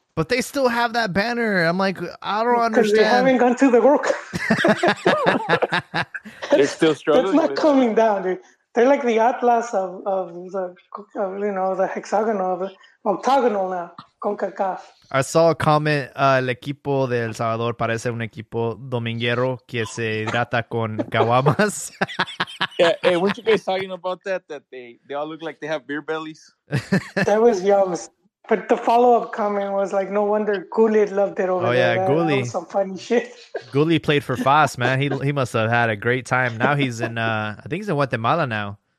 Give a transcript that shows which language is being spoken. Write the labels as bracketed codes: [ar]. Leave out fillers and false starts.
[en] But they still have that banner. I'm like, I don't understand. They haven't gone to the World Cup. They're still struggling. It's not coming down, dude. They're like the Atlas of the of, you know, the hexagonal, the octagonal now. CONCACAF. I saw a comment. [es] El equipo de El Salvador parece un equipo dominguero que se hidrata con caguamas. [en] Yeah, hey, weren't you guys talking about that? That they all look like they have beer bellies. That was yum. But the follow up comment was like, no wonder Gulli loved it over there. Oh, yeah, Gulli. Some funny shit. Gulli played for FAS, man. He must have had a great time. Now he's in, I think he's in Guatemala now.